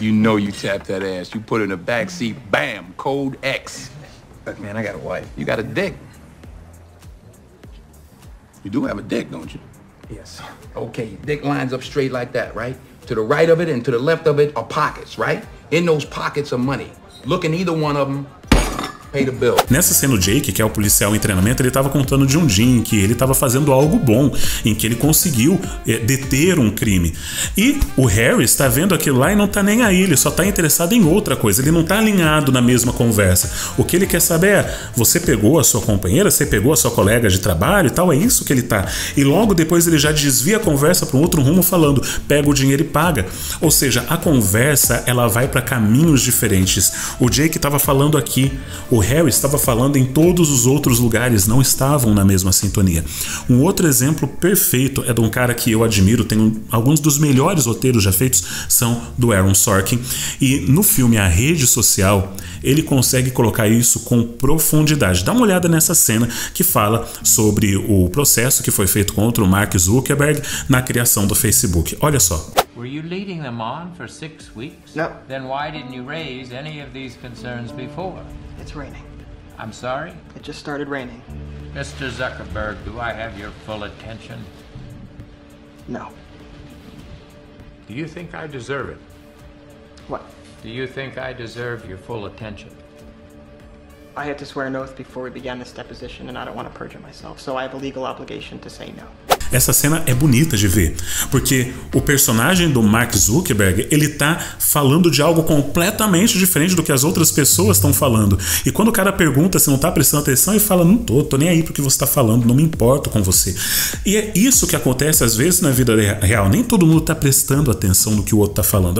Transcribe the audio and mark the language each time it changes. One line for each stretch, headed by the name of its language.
English: You know you tapped that ass. You put it in the back seat, bam, code X. Look, man, I got a wife. You got a dick. You do have a dick, don't you? Yes. Okay, your dick lines up straight like that, right? To the right of it and to the left of it are pockets, right? In those pockets are money. Look in either one of them.
Portuguese: Nessa cena, o Jake, que é o policial em treinamento, ele estava contando de um dia em que ele estava fazendo algo bom, em que ele conseguiu deter um crime. E o Harry está vendo aquilo lá e não está nem aí, ele só está interessado em outra coisa, ele não está alinhado na mesma conversa. O que ele quer saber é, você pegou a sua companheira, você pegou a sua colega de trabalho e tal, é isso que ele está. E logo depois ele já desvia a conversa para um outro rumo falando, pega o dinheiro e paga. Ou seja, a conversa, ela vai para caminhos diferentes. O Jake estava falando aqui, o Harry estava falando em todos os outros lugares, não estavam na mesma sintonia. Um outro exemplo perfeito é de um cara que eu admiro, tem alguns dos melhores roteiros já feitos, são do Aaron Sorkin. E no filme A Rede Social, ele consegue colocar isso com profundidade. Dá uma olhada nessa cena que fala sobre o processo que foi feito contra o Mark Zuckerberg na criação do Facebook. Olha só.
English: Were you leading them on for 6 weeks? No. Then why didn't you raise any of these concerns before? It's raining. I'm sorry? It just started raining. Mr. Zuckerberg, do I have your full attention? No. Do you think I deserve it? What? Do you think I deserve your full attention? I had to swear an oath before we began this deposition, and I don't want to perjure myself, so I have a legal obligation to say no.
Portuguese: Essa cena é bonita de ver, porque o personagem do Mark Zuckerberg, ele tá falando de algo completamente diferente do que as outras pessoas estão falando. E quando o cara pergunta se não tá prestando atenção, ele fala, não tô, tô nem aí pro que você tá falando, não me importo com você. E é isso que acontece às vezes na vida real, nem todo mundo tá prestando atenção no que o outro tá falando.